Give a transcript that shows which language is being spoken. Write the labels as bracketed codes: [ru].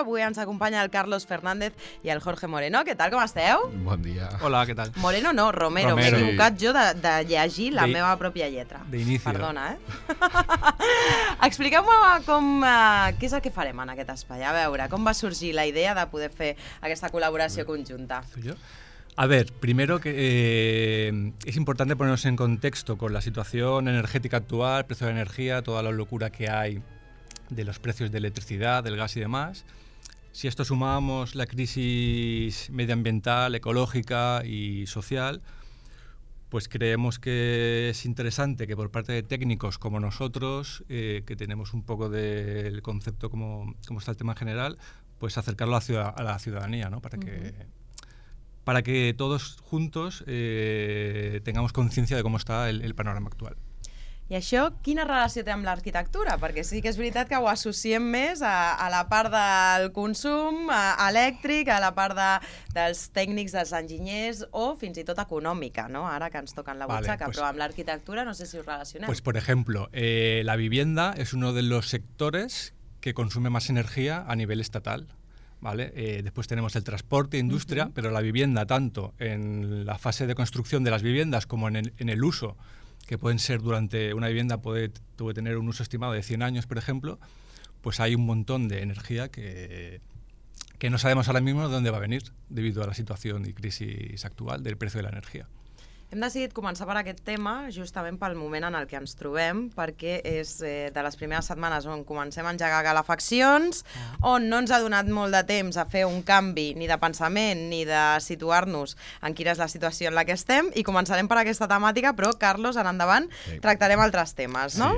[ca] Avui ens acompanya el Carlos Fernández i el Jorge Moreno. Què tal, com esteu? Bon dia. Hola, què tal? Moreno no, Romero. M'he equivocat jo de llegir la meva pròpia lletra. D'inici. Perdona, eh? Expliqueu-me què és el que farem en aquest espai. A veure, com va sorgir la idea de poder fer aquesta col·laboració conjunta? [es] A ver, primero que es importante ponernos en contexto con la situación energética actual, precio de energía, toda la locura que hay de los precios de electricidad, del gas y demás. Si esto sumamos la crisis medioambiental, ecológica y social, pues creemos que es interesante que por parte de técnicos como nosotros, que tenemos un poco del concepto como está el tema en general, pues acercarlo a la ciudadanía, ¿no? Para que todos juntos tengamos conciencia de cómo está el panorama actual. [ca] I això, quina relació té amb l'arquitectura? Perquè sí que és veritat que ho associem més a la part del consum elèctric, a la part dels tècnics, dels enginyers o fins i tot econòmica, no? Ara que ens toquen la butxaca, però amb l'arquitectura no sé si ho relacionem. [es] Pues, por ejemplo, la vivienda es uno de los sectores que consume más energía a nivel estatal. ¿Vale? Después tenemos el transporte, industria, pero la vivienda, tanto en la fase de construcción de las viviendas como en el uso, que pueden ser durante una vivienda, puede tener un uso estimado de 100 años, por ejemplo, pues hay un montón de energía que no sabemos ahora mismo de dónde va a venir debido a la situación y crisis actual del precio de la energía. [ca] Hem decidit començar per aquest tema justament pel moment en el que ens trobem, perquè és de les primeres setmanes on comencem a engegar calefaccions, on no ens ha donat molt de temps a fer un canvi ni de pensament ni de situar-nos en quina és la situació en la que estem, i començarem per aquesta temàtica, però, Carlos, en endavant tractarem altres temes, no?